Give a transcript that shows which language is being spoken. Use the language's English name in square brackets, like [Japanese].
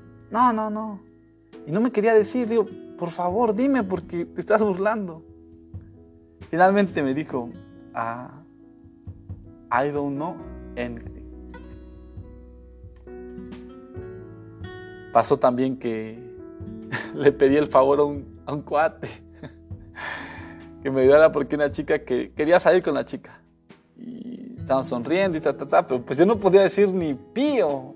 [Spanish] No. Y no me quería decir, digo, por favor, dime, porque te estás burlando. Finalmente me dijo, [English] I don't know anything. [Spanish] Pasó también que le pedí el favor a un cuate que me ayudara porque una chica que quería salir con la chica. Y estaban sonriendo y ta, ta, ta, pero pues yo no podía decir ni pío.